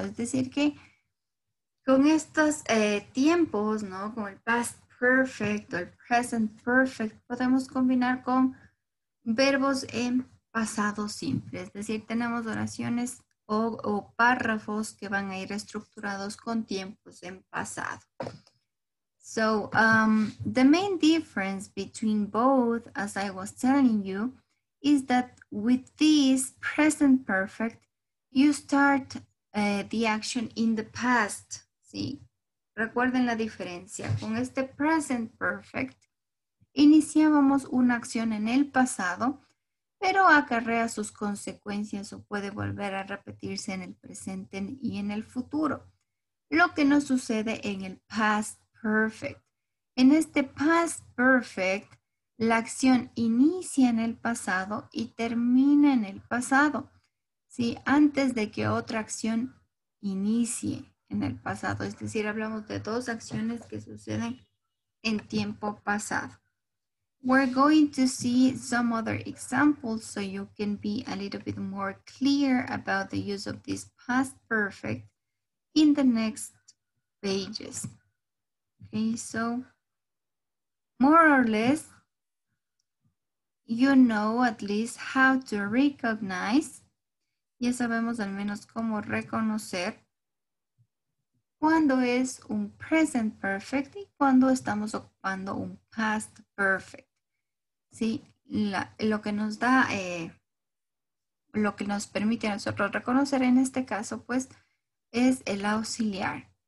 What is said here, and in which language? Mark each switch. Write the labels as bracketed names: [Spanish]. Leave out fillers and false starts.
[Spanish] Es decir que con estos tiempos, ¿no? Con el past perfect o el present perfect, podemos combinar con verbos en pasado simple. Es decir, tenemos oraciones o párrafos que van a ir estructurados con tiempos en pasado. [English] So, the main difference between both, as I was telling you, is that with this present perfect, you start the action in the past. [Spanish] ¿Sí? Recuerden la diferencia. Con este present perfect, iniciábamos una acción en el pasado, pero acarrea sus consecuencias o puede volver a repetirse en el presente y en el futuro. Lo que no sucede en el past perfect. En este past perfect, la acción inicia en el pasado y termina en el pasado. ¿Sí? Antes de que otra acción inicie en el pasado. Es decir, hablamos de dos acciones que suceden en tiempo pasado. [English] We're going to see some other examples so you can be a little bit more clear about the use of this past perfect in the next pages. Okay, so more or less, you know at least how to recognize. [Spanish] Ya sabemos al menos cómo reconocer cuando es un present perfect y cuando estamos ocupando un past perfect. Sí, lo que nos da, lo que nos permite a nosotros reconocer en este caso, pues, es el auxiliar.